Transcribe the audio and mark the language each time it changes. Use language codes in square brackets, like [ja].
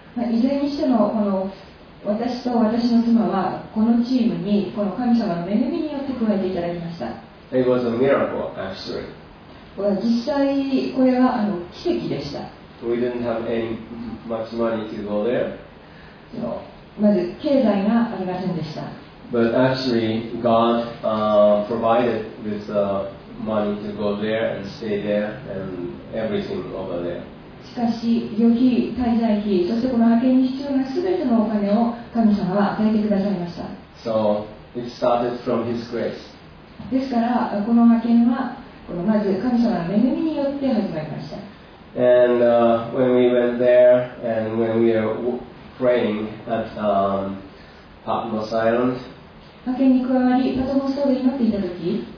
[ja] いずれにしてもこの私と私の妻はこのチームにこの神様の恵みによって加えていただきました。 [en] It was a miracle, actually. [ja] 実際これは奇跡でした。 [en] We didn't have any much money to go there. [ja] まず経済がありませんでした。 [en] But actually, God provided with the money to go there and stay there and everything over there. [ja] しかし旅費、滞在費、そしてこの派遣に必要なすべてのお金を神様は与えてくださいました。 [en] So it started from His grace. [ja] ですからこの派遣はこのまず神様の恵みによって始まりました。 [en] And when we went there and when we were praying at Patmos Island, [ja] 派遣に加わりパトモス島で祈っていた時、